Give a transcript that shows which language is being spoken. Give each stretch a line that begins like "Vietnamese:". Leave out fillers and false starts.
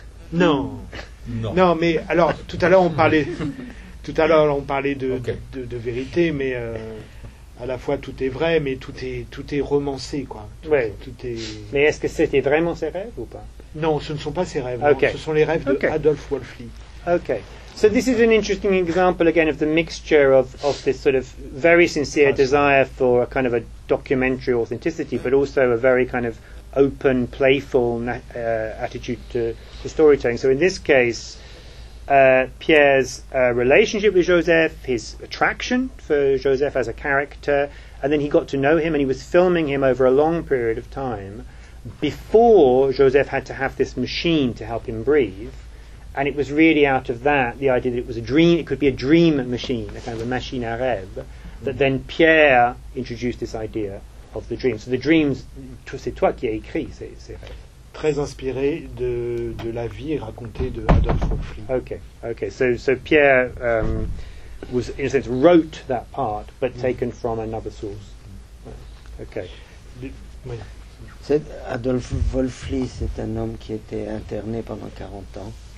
French: Non. Non. Non, mais alors tout à l'heure on parlait de, okay. de vérité, mais à la fois tout est vrai, mais tout est romancé, quoi. Ouais. Tout est. Mais est-ce que c'était vraiment ses rêves ou pas? Non, ce ne sont pas ses rêves. Okay. Ce sont les rêves de Adolf Wolfli. Okay.
English: So this is an interesting example again of the mixture of this sort of very sincere desire for a kind of a documentary authenticity, but also a very kind of open, playful attitude to storytelling. So in this case, Pierre's relationship with Joseph, his attraction for Joseph as a character, and then he got to know him and he was filming him over a long period of time before Joseph had to have this machine to help him breathe. And it was really out of that, the idea that it was a dream, it could be a dream machine, a kind of a machine à rêve, that then Pierre introduced this idea of the dream. So the dreams,
French: c'est toi qui as écrit ces rêves. Très inspiré de la vie racontée de Adolf Wolfli. Okay, okay.
English: So Pierre was, in a sense, wrote that part, but taken from another source. Okay.
French: Adolf Wolfli, c'est un homme qui était interné pendant 40 ans.